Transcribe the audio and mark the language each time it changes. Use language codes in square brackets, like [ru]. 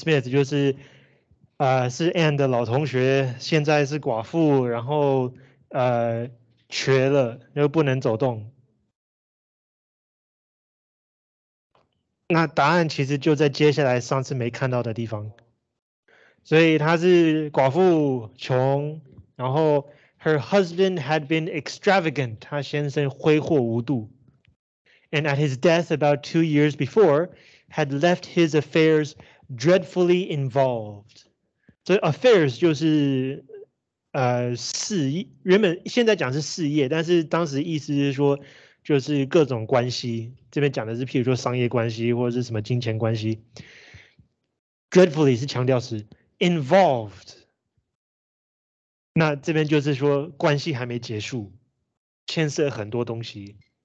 [zh] Smith 就是，是 Anne 的老同学，现在是寡妇，然后。瘸了，又不能走动。那答案其实就在接下来上次没看到的地方。所以她是寡妇，穷，然后 [en] her husband had been extravagant， [zh] 她先生挥霍无度， [en] and at his death about 2 years before had left his affairs dreadfully involved。 [zh] 所以 affairs 就是。事业原本现在讲是事业，但是当时意思是说，就是各种关系。这边讲的是，譬如说商业关系或者是什么金钱关系。 Dreadfully 是强调是 involved，那这边就是说关系还没结束，牵涉很多东西。